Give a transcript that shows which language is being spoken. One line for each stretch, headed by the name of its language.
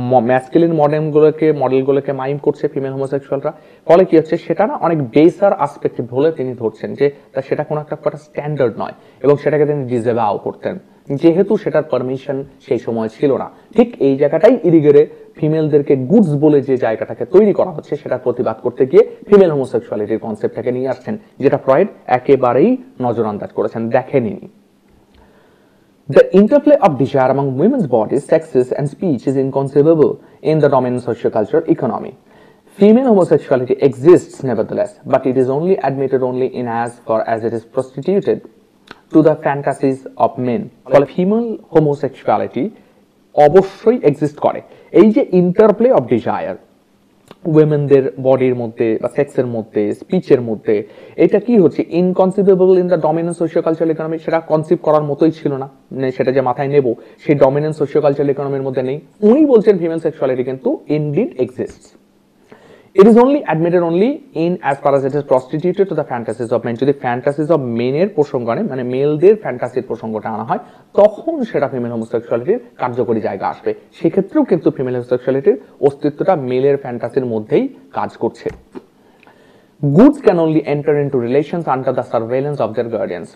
Bangla: Masculine মডেলগুলোকে mime করছে female হোমোসেক্সুয়ালরা, ফলে কি হচ্ছে সেটা না অনেক বেসার আসপেক্ট বলে তিনি ধরছেন যে তা সেটা কোনো একটা স্ট্যান্ডার্ড নয় এবং সেটাকে তিনি ডিসঅ্যাভাও করতেন যেহেতু সেটার পারমিশন সেই সময় ছিল না। ঠিক এই জায়গাটাই ইরিগেরে ফিমেলদেরকে গুডস বলে যে জায়গাটাকে তৈরি করা হচ্ছে সেটার প্রতিবাদ করতে গিয়ে ফিমেল হোমোসেক্সুয়ালিটির কনসেপ্টটাকে নিয়ে আসছেন, যেটা ফ্রয়েড একেবারেই নজরআন্দাজ করেছেন, দেখেনি।
English: The interplay of desire among women's bodies, sexes and speech is inconceivable in the dominant sociocultural economy. Female homosexuality exists nevertheless, but it is only admitted only in as far as it is prostituted to the fantasies of men. While female homosexuality obviously exists kore.
Bangla: Ei je interplay of desire উইমেনদের বডির মধ্যে বা সেক্সের মধ্যে স্পিচের মধ্যে এটা কি হচ্ছে
English: inconceivable in the dominant sociocultural economy,
Bangla: সেটা conceive করার মতোই ছিল না, সেটা যে মাথায় নেব সেই ডমিনেন্ট সোশিওকালচারাল ইকোনমির মধ্যে নেই। উনি বলছেন ফিমেল সেক্সুয়ালিটি কিন্তু indeed exists.
English: It is only admitted only in as far as it is prostituted to the fantasies of men.
Bangla: যদি ফ্যান্টাসিজ অফ মেনের প্রসঙ্গে মানে মেলদের ফ্যান্টাসির প্রসঙ্গটা আনা হয় তখন সেটা ফিমেল হোমোসেক্সুয়ালিটির কার্যকরী জায়গা আসবে। সেক্ষেত্রেও কিন্তু ফিমেল হোমোসেক্সুয়ালিটির অস্তিত্বটা মেলের ফ্যান্টাসির মধ্যেই কাজ করছে।
English: Goods can only enter into relations under the surveillance of their guardians.